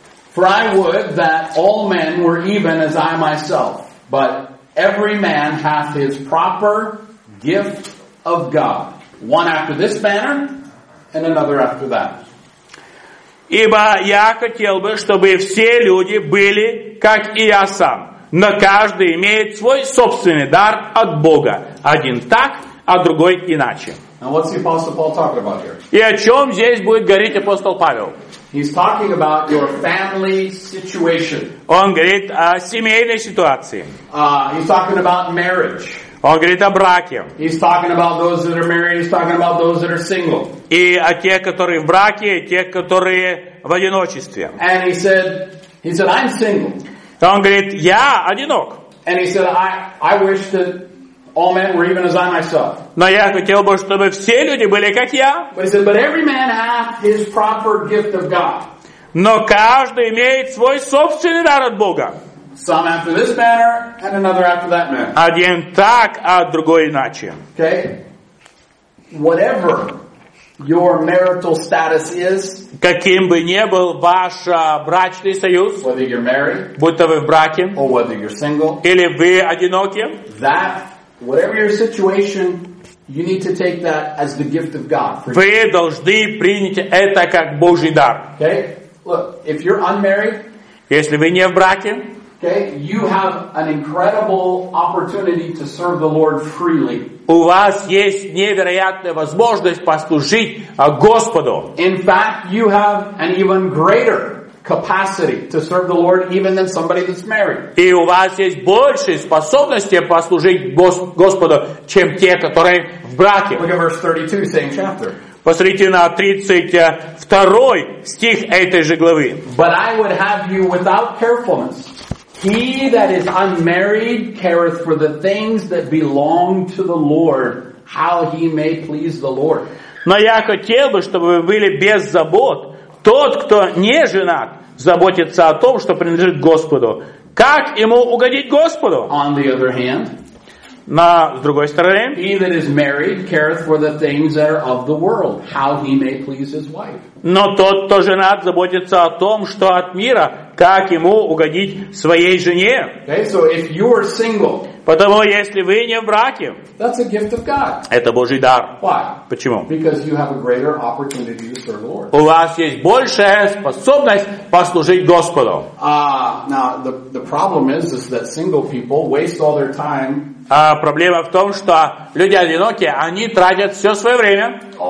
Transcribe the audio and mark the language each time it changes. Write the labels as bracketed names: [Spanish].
[English] For I would that all men were even as I myself, but every man hath his proper gift of God, one after this manner, and another after that. [Russian] Ибо я хотел бы, чтобы все люди были, как и я сам. Но каждый имеет свой собственный дар от Бога. Один так, а другой иначе. [English] Now what's the Apostle Paul talking about here? [Russian] И о чем здесь будет говорить апостол Павел? [English] He's talking about your family situation. [Russian] Он говорит о семейной ситуации. [English] He's talking about marriage. [Russian] Он говорит о браке. [English] He's talking about those that are married. He's talking about those that are single. [Russian] И о тех, которые в браке, и тех, которые в одиночестве. [English] And he said, I'm single. [Russian] Он говорит, я одинок. [English] And he said, I wish that all men were even as I myself. [Russian] Но я хотел бы, чтобы все люди были как я. [English] But he said, but every man hath his proper gift of God. [Russian] Но каждый имеет свой собственный дар от Бога. [English] Some after this manner, and another after that manner. [Russian] Один так, а другой иначе. [English] Okay. Whatever your marital status is. [Russian] Каким бы ни был ваш брачный союз, [English] whether you're married, [Russian] будто вы в браке, [English] or whether you're single, [Russian] или вы одиноки, [English] that whatever your situation, you need to take that as the gift of God. [Russian] Вы должны принять это как Божий дар. [English] Okay. Look, if you're unmarried, [Russian] если вы не в браке, [English] okay, you have an incredible opportunity to serve the Lord freely. [Russian] У вас есть невероятная возможность послужить Господу. [English] In fact, you have an even greater capacity to serve the Lord even than somebody that's married. [Russian] И у вас есть большие способности послужить Господу, чем те, которые в браке. [English] Look at verse 32, same chapter. [Russian] Посмотрите на 32 стих этой же главы. [English] But I would have you without carefulness. He that is unmarried careth for the things that belong to the Lord, how he may please the Lord. [Russian] Но я хотел бы, чтобы вы были без забот. Тот, кто не женат, заботится о том, что принадлежит Господу. Как ему угодить Господу? [English] On the other hand, [Russian] на с другой стороны, [English] he that is married careth for the things that are of the world, how he may please his wife. [Russian] Но тот, кто женат, заботится о том, что от мира, как ему угодить своей жене. [English] Okay, so if you are single, [Russian] потому если вы не в браке, [English] that's a gift of God. [Russian] Это Божий дар. [English] Why? [Russian] Почему? [English] Because you have a greater opportunity to serve the Lord. [Russian] У вас есть большая способность послужить Господу. [English] Now, the problem is that single people waste all their time. [Russian] А проблема в том, что люди одинокие, они тратят все свое время.